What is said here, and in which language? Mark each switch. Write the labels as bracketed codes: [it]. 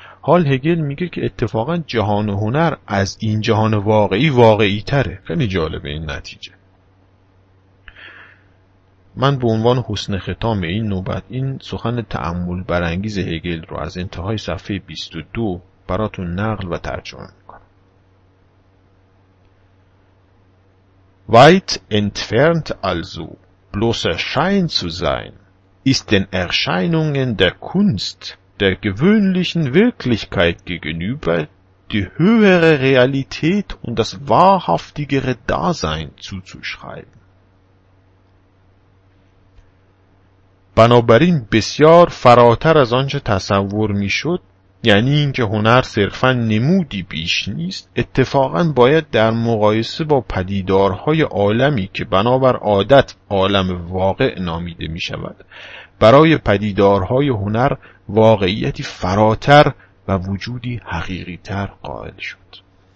[fa] حال هگل میگه که اتفاقا جهان هنر از این جهان واقعی واقعی تره. خیلی جالبه این نتیجه. من به عنوان حسن ختام این نوبت این سخن تأمل برانگیز هگل رو از انتهای صفحه 22 براتون نقل و ترجمه میکنم. [de] Weit entfernt also bloßer Schein zu sein ist den Erscheinungen der Kunst der gewöhnlichen Wirklichkeit gegenüber die höhere Realität und das wahrhaftigere Dasein zuzuschreiben. [fa] بنابراین بسیار فراتر از آنچه تصور می شد، یعنی اینکه هنر صرفا نمودی بیش نیست، اتفاقا باید در مقایسه با پدیدارهای عالمی که بنابر عادت عالم واقع نامیده می شود، برای پدیدارهای هنر واقعیتی فراتر و وجودی حقیقی تر قائل شد.